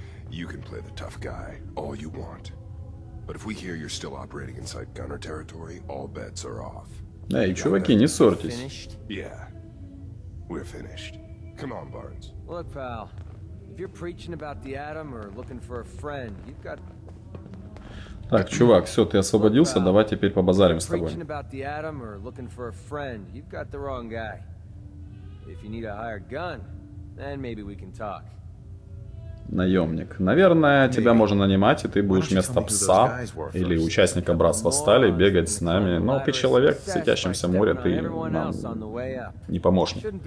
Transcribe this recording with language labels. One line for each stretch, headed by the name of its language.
English: You can play the tough guy all you want. But if we hear you're still operating inside Gunner territory, all bets are off.
Russian: Эй, чуваки, не ссорьтесь.
English: Yeah, we're finished. Come on, Barnes. Look, pal, if you're preaching about the atom or looking for a friend, you've got.
Russian: Так, чувак, все, ты освободился. Давай теперь побазарим с тобой.
English: Preaching about the atom or looking for a friend, you've got the wrong guy. If you need a hired gun, then maybe we can talk.
Russian: Наемник. Наверное, тебя можно нанимать, и ты будешь вместо пса или участника братства стали бегать с нами. Но ты человек в светящемся море, ты нам не помощник.